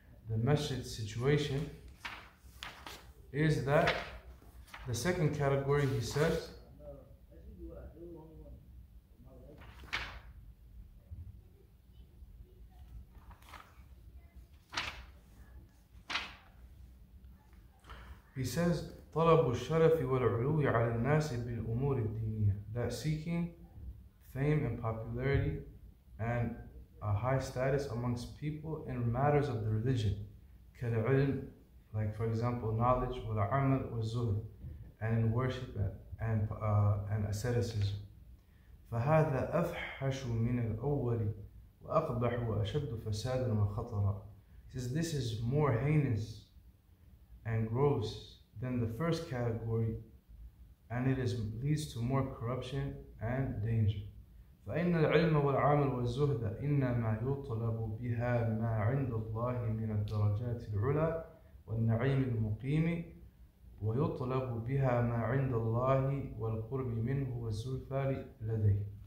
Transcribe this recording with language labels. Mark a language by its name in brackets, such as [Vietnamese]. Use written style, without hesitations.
[English] the masjid situation is that the second category, he says, [Arabic] طلب الشرف والعلو على الناس بالأمور الدينية, [English] that seeking fame and popularity and a high status amongst people in matters of the religion, [Arabic] كالعلم, [English] like for example knowledge, [Arabic] والعمل والزهد, [English] and in worship and asceticism. [Arabic] فهذا أفحش من الأول وأقبح وأشد فسادا وخطرا. [English] Says this is more heinous and gross than the first category, and it is leads to more corruption and danger. [Arabic] فَإِنَّ الْعِلْمَ وَالْعَامَلُ وَالزُّهْدَ إِنَّمَا يُطْلَبُ بِهَا مَا عِنْدَ اللَّهِ مِنَ الدَّرَجَاتِ الْعُلَى وَالنَّعِيمِ الْمُقِيمِ وَيُطْلَبُ بِهَا مَا عِنْدَ اللَّهِ وَالْقُرْبِ مِنْهُ وَالزُّلْفَارِ لَدَيْهِ.